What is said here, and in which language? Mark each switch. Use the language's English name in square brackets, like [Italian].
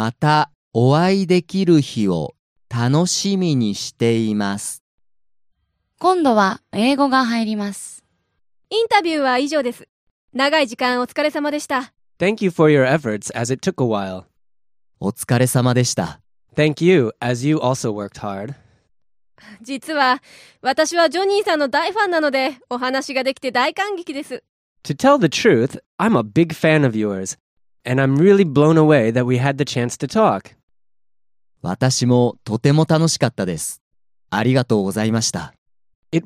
[Japanese] 実は私はジョニーさんの大ファンなのでお話ができて大感激です。私もとても楽しかったです。ありがとうございました。それでは日本での滞在を楽しんでください。またお会いできる日を楽しみにしています。今度は英語が入ります。インタビューは以上です。長い時間お疲れ様でした。 Thank [English] you for your efforts, as it took a while. [Japanese] お疲れ様でした。 Thank [English] you, as you also worked hard. [Japanese] 実は私はジョニーさんの大ファンなのでお話ができて大感激です。 To [English] tell the truth, I'm a big fan of yours, and I'm really blown away that we had the chance to talk. [Japanese] 私もとても楽しかったです。ありがとうございました。 It